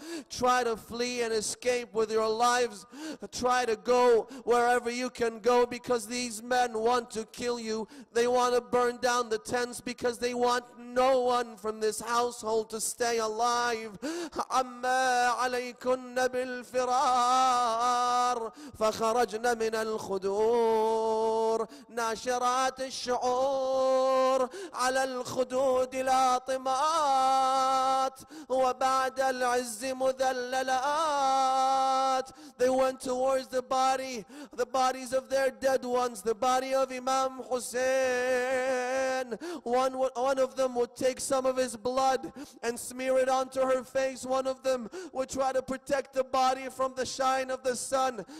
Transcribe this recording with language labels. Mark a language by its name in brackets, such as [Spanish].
[English] Try to flee and escape with your lives. Try to go wherever you can go, because these men want to kill you. They want to burn down the tents because they want no one from this household to stay alive. [Arabic] Amma عليكن بالفرار فخرجنا من الخدور ناشرات الشعور على الخدود لاطمات وبعد العز مذللات. [English] They went towards the bodies of their dead ones, the body of Imam Hussein. One of them would take some of his blood and smear it onto her face. One of them would try to protect the body from the shine of the sun.